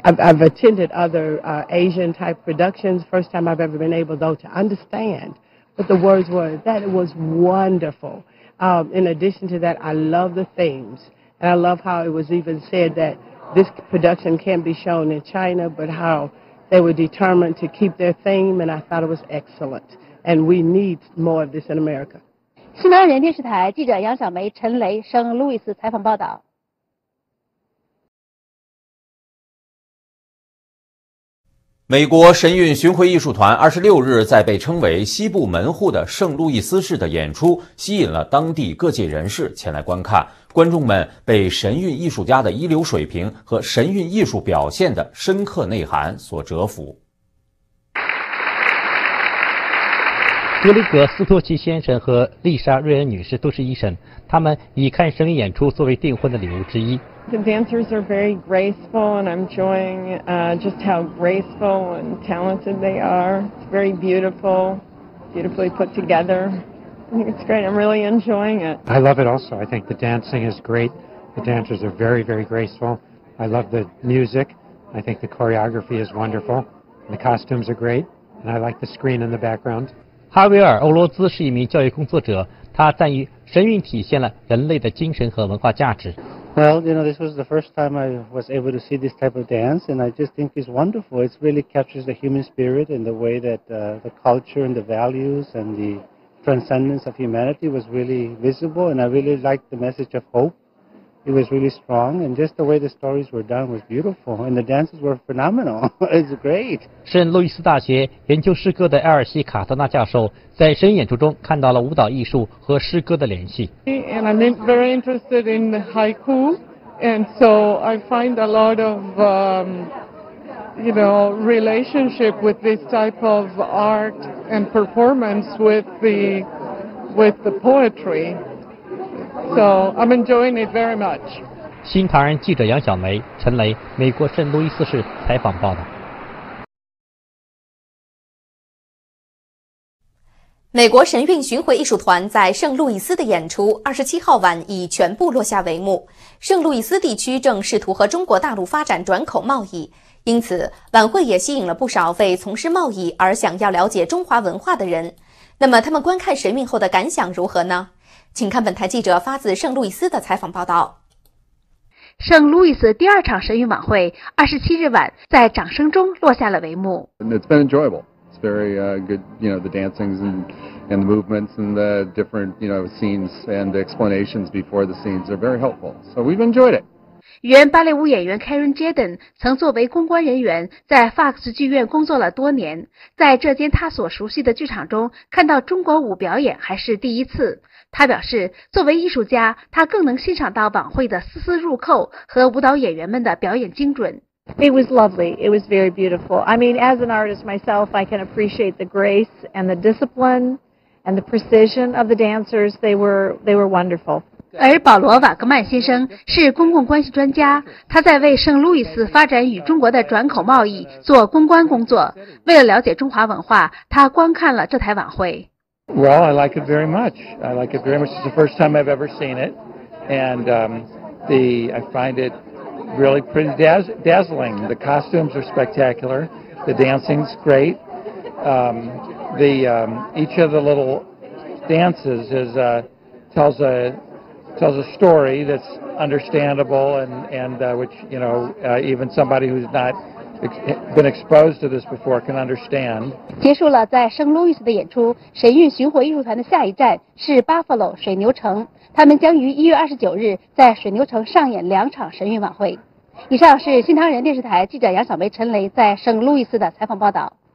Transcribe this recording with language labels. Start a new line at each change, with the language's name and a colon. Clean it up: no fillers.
English: I've attended other Asian type productions, first time I've ever been able though to understand what the words were. That was wonderful. In addition to that, I love the themes, and I love how it was even said thatThis production can be shown in China, but how they were determined to keep their theme, and I thought it was excellent. And we need more of this in America.
Chinese: 新唐人电视台记者杨小梅、陈雷，圣路易斯采访报道。美国神韵巡回艺术团26日在被称为西部门户的圣路易斯市的演出吸引了当地各界人士前来观看，观众们被神韵艺术家的一流水平和神韵艺术表现的深刻内涵所折服。格里格·斯托奇先生和丽莎·瑞恩女士都是医生，他们以看神韵演出作为订婚的礼物之一。
English: The dancers are very graceful, and I'm enjoying just how graceful and talented they are. It's very beautiful, beautifully put together. I think it's great. I'm really enjoying it. I love it also. I think the dancing is great. The dancers are very, very graceful. I love the music. I think the choreography is wonderful. The costumes are great, and I like the screen in the background.
Chinese: 哈维尔·欧罗兹是一名教育工作者，他赞誉神韵体现了人类的精神和文化价值。
English: Well, you know, this was the first time I was able to see this type of dance, and I just think it's wonderful. It really captures the human spirit and the way that the culture and the values and the transcendence of humanity was really visible, and I really liked the message of hope. It was really strong, and just the way the stories were done was beautiful, and the dances were phenomenal. It's great.
Chinese: 圣路易斯大学研究诗歌的埃尔西·卡特纳教授在神韵演出中看到了舞蹈艺术和诗歌的联系。
English: And I'm very interested in the haiku, and so I find a lot of, you know, relationship with this type of art and performance with the poetry. So I'm enjoying it very much.
Chinese: 新唐人记者杨小梅、陈雷，美国圣路易斯市采访报道。美国神韵巡回艺术团在圣路易斯的演出27号晚已全部落下帷幕。圣路易斯地区正试图和中国大陆发展转口贸易，因此晚会也吸引了不少为从事贸易而想要了解中华文化的人。那么他们观看神韵后的感想如何呢？请看本台记者发自圣路易斯的采访报道。圣路易斯第二场神韵晚会27日晚在掌声中落下了帷幕。
English: It's been enjoyable. It's very good, you know, the dancings and the movements and the different, you know, scenes and the explanations before the scenes are very helpful. So we've enjoyed it.
Chinese: 原芭蕾舞演员 Karen Jaden 曾作为公关人员在 Fox 剧院工作了多年，在这间他所熟悉的剧场中看到中国舞表演还是第一次。他表示，作为艺术家，他更能欣赏到晚会的丝丝入扣和舞蹈演员们的表演精准。
English: It was lovely. It was very beautiful. I mean, as an artist myself, I can appreciate the grace and the discipline and the precision of the dancers. They were wonderful.
Chinese: 而保罗·瓦格曼先生是公共关系专家，他在为圣路易斯发展与中国的转口贸易做公关工作。为了了解中华文化，他观看了这台晚会。
English: Well, I like it very much. I like it very much. It's the first time I've ever seen it. And I find it really pretty dazzling. The costumes are spectacular. The dancing's great. Each of the little dances tells a story that's understandable and which even somebody who's not been exposed to this before can understand.
Chinese: 结束了在圣路易斯的演出，神韵巡回艺术团的下一站是 Buffalo 水牛城，他们将于1月29日在水牛城上演两场神韵晚会。以上是新唐人电视台记者杨小梅、陈雷在圣路易斯的采访报道。